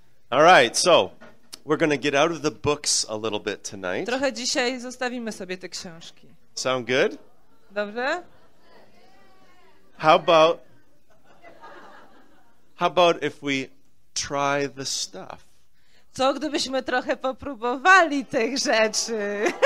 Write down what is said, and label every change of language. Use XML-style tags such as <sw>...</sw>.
<en>All right, so we're gonna get out of the books a little bit tonight.</en> <pl>Trochę dzisiaj zostawimy sobie te książki.</pl> <en>Sound good?</en> <pl>Dobrze?</pl> <en>How about if we try the stuff?</en> <pl>Co gdybyśmy trochę popróbowali tych rzeczy?</pl>